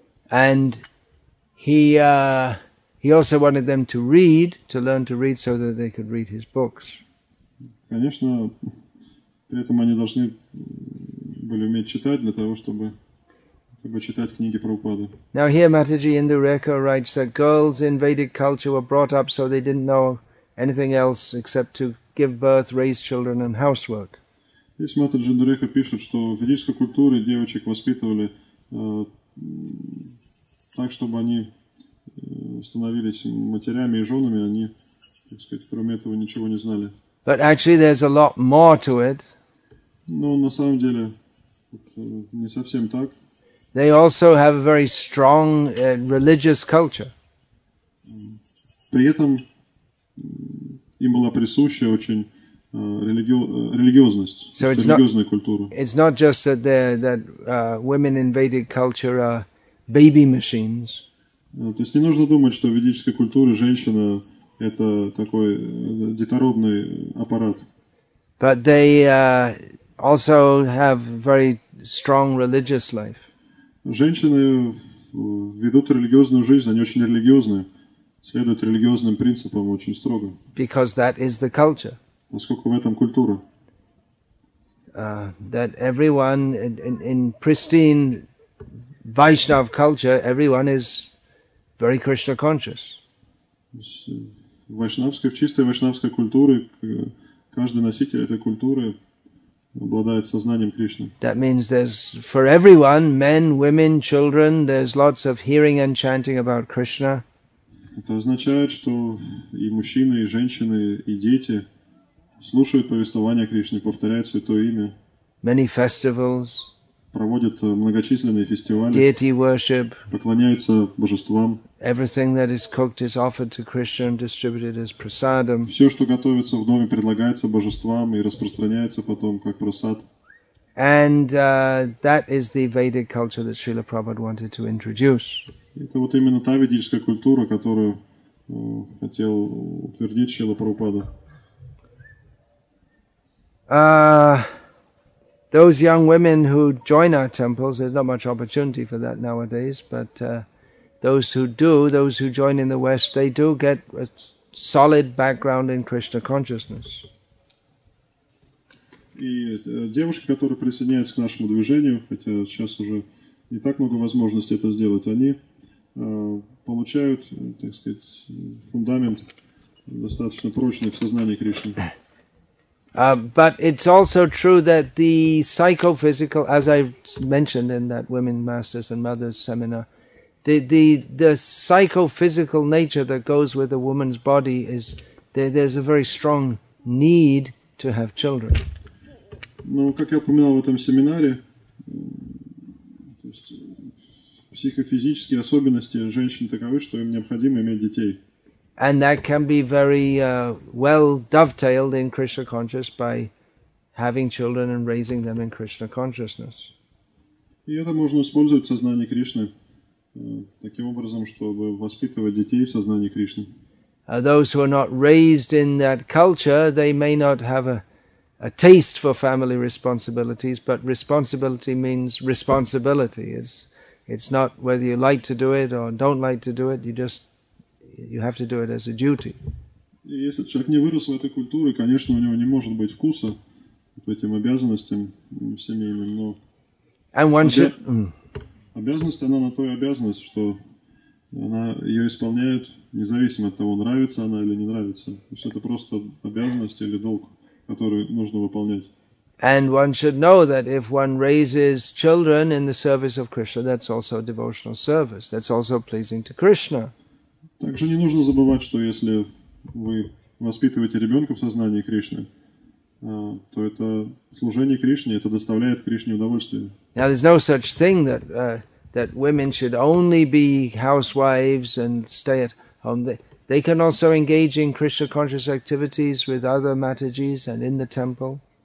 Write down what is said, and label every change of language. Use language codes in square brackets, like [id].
[en] And he also wanted them to read, to learn to read, so that they could read his books. [ru] Конечно, при этом они должны были уметь читать для того, чтобы читать книги Прабхупады. [en] Now here Mataji Indureka writes that girls in Vedic culture were brought up so they didn't know anything else except to give birth, raise children and housework. [ru] Здесь Матаджи Индуреха пишет, что в ведической культуре девочек воспитывали так, чтобы они становились матерями и женами, они, так сказать, кроме этого ничего не знали. [en] But actually there's a lot more to it. [ru] Но на самом деле не совсем так. [en] They also have a very strong religious culture. [ru] При этом им была присуща очень религиозность, [en] so [ru] религиозная культура. [en] It's not just that women in Vedic culture are baby machines. [ru] То есть не нужно думать, что в ведической культуре женщина это такой детородный аппарат. [en] But they also have very strong religious life. [ru] Женщины ведут религиозную жизнь, они очень религиозные, следуют религиозным принципам очень строго. [en] Because that is the culture. [ru] Насколько в этом культура. [en] That everyone in pristine Vaishnav culture, everyone is very Krishna conscious. [ru] В чистой вайшнавской культуре каждый носитель этой культуры обладает сознанием Кришны. [en] That means there's for everyone, men, women, children, there's lots of hearing and chanting about Krishna. [ru] Это означает, что и мужчины, и женщины, и дети слушают повествование Кришны, повторяют Святое Имя. [en] Many festivals. [ru] Проводят многочисленные фестивали. [en] Deity worship. [ru] Поклоняются божествам. [en] Everything that is cooked is offered to Krishna and distributed as prasadam. [ru] Все, что готовится в доме, предлагается божествам и распространяется потом как прасад. [en] And that is the Vedic culture that Srila Prabhupada wanted to introduce. [ru] Это вот именно та ведическая культура, которую хотел утвердить Шрила Прабхупада. [en] Those young women who join our temples, there's not much opportunity for that nowadays, but those who join in the West, they do get a solid background in Krishna consciousness. [ru] И девушки, которые присоединяются к нашему движению, хотя сейчас уже не так много возможностей это сделать, они получают, так сказать, фундамент достаточно прочный в сознании Кришны. [en] But it's also true that the psychophysical, as I mentioned in that Women Masters and Mothers seminar, the psychophysical nature that goes with a woman's body is there's a very strong need to have children. [ru] Ну, как я упоминал в этом семинаре, то есть психофизические особенности женщин таковы, что им необходимо иметь детей. [en] And that can be very well dovetailed in Krishna conscious by having children and raising them in Krishna consciousness. [ru] И это можно использовать в сознании Кришны таким образом, чтобы воспитывать детей в сознании Кришны. [en] Those who are not raised in that culture, they may not have a taste for family responsibilities, but responsibility means responsibility. It's not whether you like to do it or don't like to do it, you have to do it as a duty. [ru] Если человек не вырос в этой культуре, конечно, у него не может быть вкуса к этим обязанностям семейным, но... [en] And one should... [ru] Обязанность, она на то и обязанность, что она ее исполняет независимо от того, нравится она или не нравится. То есть это просто обязанность или долг, который нужно выполнять. [en] And one should know that if one raises children in the service of Krishna, that's also a devotional service. That's also pleasing to Krishna. [ru] Также не нужно забывать, что если вы воспитываете ребенка в сознании Кришны, то это служение Кришне, это доставляет Кришне удовольствие. [en] Now there's no such thing that that women should only be housewives and stay at home. They can also engage in Krishna conscious activities with other matajis and in the temple.